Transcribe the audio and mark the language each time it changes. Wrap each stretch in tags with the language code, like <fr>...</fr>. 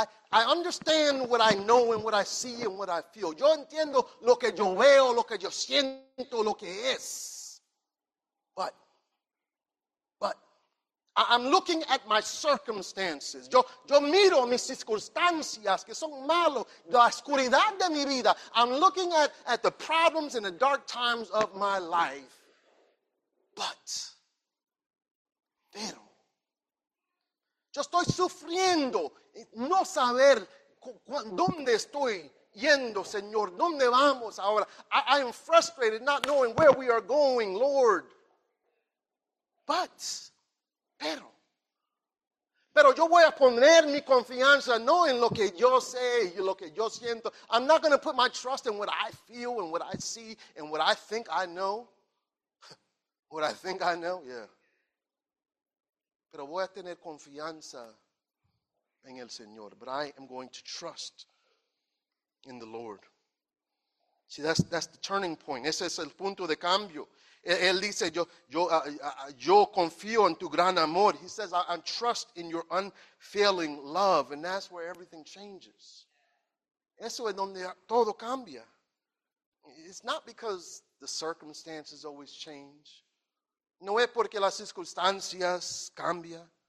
<en>I understand what I know and what I see and what I feel.</en> <es>Yo entiendo lo que yo veo, lo que yo siento, lo que es.</es> <en>But, I'm looking at my circumstances.</en> <es>Yo miro mis circunstancias que son malos, la oscuridad de mi vida.</es> <en>I'm looking at the problems and the dark times of my life.</en> <es>Pero, yo estoy sufriendo. No saber dónde estoy yendo, Señor. ¿Dónde vamos ahora?</es> <en>I am frustrated not knowing where we are going, Lord.</en> <es>Pero yo voy a poner mi confianza no en lo que yo sé y lo que yo siento.</es> <en>I'm not going to put my trust in what I feel and what I see and what I think I know. What I think I know, yeah.</en> <es>Pero voy a tener confianza en el Señor,</es> <en>but I am going to trust in the Lord. See, that's the turning point.</en> <es>Ese es el punto de cambio. Él dice, yo confío en tu gran amor.</es> <en>He says, I trust in your unfailing love. And that's where everything changes.</en> <es>Eso es donde todo cambia.</es> <en>It's not because the circumstances always change.</en> <es>No es porque las circunstancias cambian.</es>